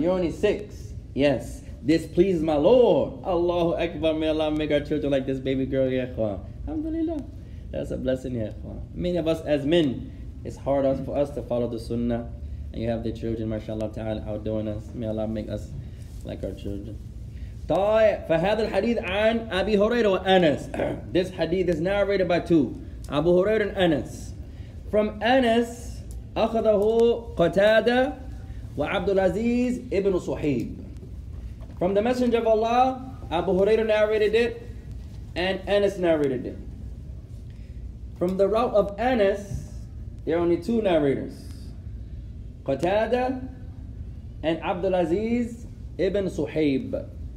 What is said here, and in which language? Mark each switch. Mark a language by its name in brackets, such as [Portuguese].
[English] You're only six. Yes. This pleases my Lord. Allahu Akbar, may Allah make our children like this baby girl, ya ikhwan. Alhamdulillah. That's a blessing, ya ikhwan. Many of us as men, it's hard for us to follow the sunnah. And you have the children, mashallah ta'ala, outdoing us. May Allah make us like our children. [Arabic] فهذا الحديث عن أبي هريرة وأنس. [English] This hadith is narrated by two. Abu Hurairah and Anas. From Anas, [Arabic] أخذه قتادة وعبد العزيز ابن صحيب. [English] From the Messenger of Allah, Abu Hurairah narrated it, and Anas narrated it. From the route of Anas, there are only two narrators, Qatada and Abdulaziz ibn Suhaib.